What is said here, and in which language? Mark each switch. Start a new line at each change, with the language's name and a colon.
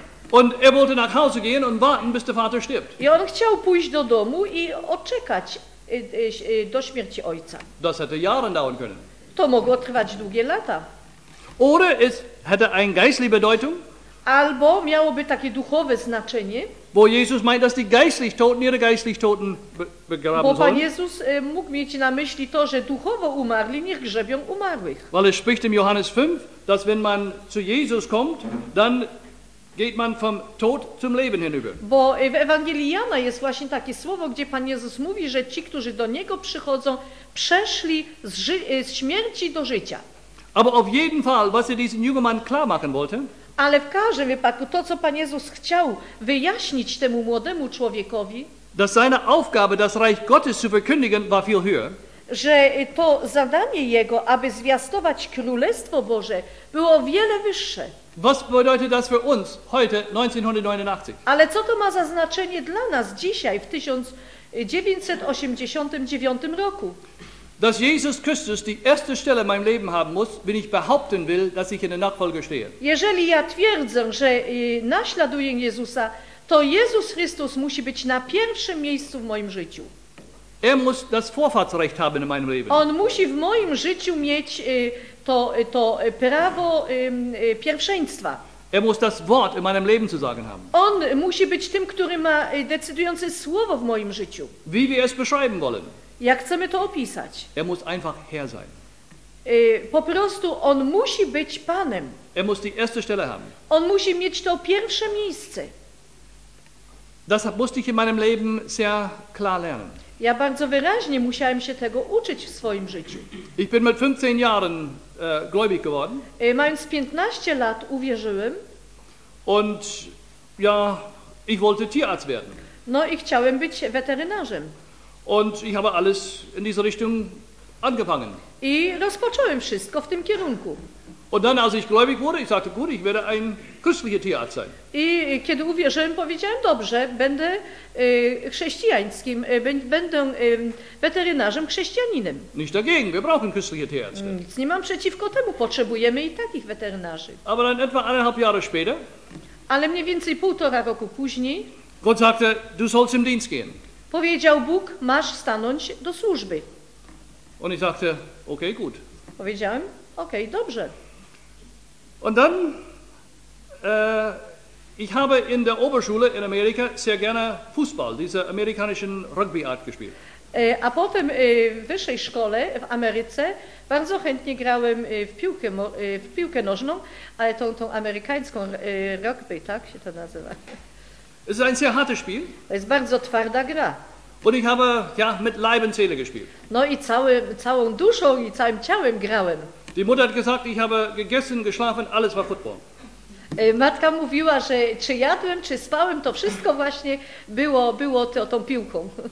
German: Und wollte nach Hause gehen und warten, bis der Vater stirbt.
Polish: I on chciał pójść do domu i odczekać do śmierci ojca.
German: Das hätte Jahre dauern können.
Polish: To mogło trwać długie lata.
German: Oder es hätte eine geistliche Bedeutung.
Polish: Albo miałoby takie duchowe znaczenie.
German: Wo Jesus meint, dass die geistlich Toten ihre geistlich Toten begraben sollen.
Polish: Bo Pan Jezus mógł mieć na myśli to, że duchowo umarli niech grzebią umarłych.
German: Weil es spricht im Johannes 5, dass wenn man zu Jesus kommt, dann geht man vom Tod zum Leben hinüber.
Polish: Bo w Ewangelii Jana jest właśnie takie słowo, gdzie Pan Jezus mówi, że ci, którzy do Niego przychodzą, przeszli z śmierci do życia.
German: Aber auf jeden Fall, was er diesen jungen Mann klar machen wollte,
Polish: ale w każdym wypadku to, co Pan Jezus chciał wyjaśnić temu młodemu człowiekowi,
German: dass seine Aufgabe, das Reich Gottes zu verkündigen, war viel höher,
Polish: że to zadanie Jego, aby zwiastować Królestwo Boże, było wiele wyższe.
German: Was bedeutet das für uns heute 1989?
Polish: Ale co to ma za znaczenie dla nas dzisiaj w 1989 roku?
German: Dass Jesus Christus die erste Stelle in meinem Leben haben muss, wenn ich behaupten will, dass ich in der Nachfolge stehe.
Polish: Jeżeli ja twierdzę, że naśladuję Jezusa, to Jezus Chrystus musi być na pierwszym miejscu w moim życiu.
German: Er muss das Vorfahrtsrecht haben in meinem Leben.
Polish: On musi w moim życiu mieć to prawo pierwszeństwa.
German: Er muss das Wort in meinem Leben zu sagen haben.
Polish: On musi być tym, który ma decydujące słowo w moim życiu.
German: Wie wir es beschreiben wollen.
Polish: Jak chcemy to opisać.
German: Er muss einfach Herr sein.
Polish: Po prostu on musi być Panem.
German: Er muss die erste Stelle haben.
Polish: On musi mieć to pierwsze miejsce.
German: Das musste ich in meinem Leben sehr klar lernen.
Polish: Ja bardzo wyraźnie musiałem się tego uczyć w swoim życiu.
German: Ich bin mit 15 Jahren gläubig geworden.
Polish: Mając 15 lat uwierzyłem.
German: Und ja, ich wollte Tierarzt werden.
Polish: No i chciałem być weterynarzem.
German: Und ich habe alles in diese Richtung angefangen.
Polish: I rozpocząłem wszystko w tym kierunku.
German: Und dann, als ich gläubig wurde, ich sagte, gut, ich werde ein christlicher Tierarzt sein.
Polish: I kiedy uwierzyłem, powiedziałem, dobrze, będę chrześcijańskim, będę weterynarzem chrześcijaninem.
German: Nicht dagegen, wir brauchen christliche Tierärzte.
Polish: Nic nie mam przeciwko temu, potrzebujemy i takich weterynarzy.
German: Aber dann etwa eineinhalb Jahre später.
Polish: Ale mniej więcej półtora roku później.
German: Gott sagte, du sollst im Dienst gehen.
Polish: Powiedział Bóg, masz stanąć do służby.
German: Und ich sagte, okay, gut.
Polish: Powiedziałem, okay, dobrze.
German: Und dann, ich habe in der Oberschule in Amerika sehr gerne Fußball, diese amerikanischen Rugbyart gespielt.
Polish: A potem w wyższej szkole w Ameryce bardzo chętnie grałem w piłkę nożną, ale tą amerykańską rugby, tak się to nazywa.
German: Es ist ein sehr hartes Spiel.
Polish: To jest bardzo twarda gra.
German: Und ich habe ja mit Leib und Seele gespielt.
Polish: No i całą duszą i całym ciałem grałem.
German: Die Mutter hat gesagt, ich habe gegessen, geschlafen, alles war Football.
Polish: Matka mówiła, że czy jadłem, czy spałem, to wszystko właśnie było tą piłką.